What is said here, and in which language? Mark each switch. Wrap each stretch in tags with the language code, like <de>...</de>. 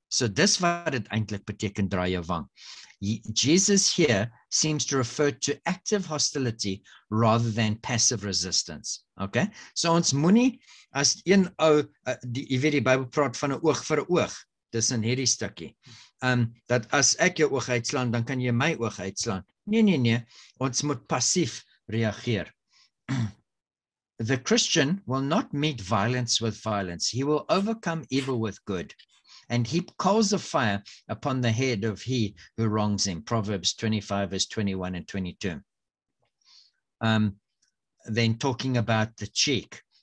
<af>So dis wat het eintlik beteken, draai jou wang.</af> <en>Jesus here seems to refer to active hostility rather than passive resistance. Okay?</en> <af>So ons moenie, as een ou, jy weet die Bybel praat van 'n oog vir 'n oog, dis in hierdie stukkie, dat as ek jou oog uitslaan, dan kan jy my oog uitslaan. Nee, ons moet passief reageer.</af> <en>The Christian will not meet violence with violence. He will overcome evil with good and heap coals of fire upon the head of he who wrongs him. Proverbs 25, verse 21 and 22. Then talking about the cheek.</en>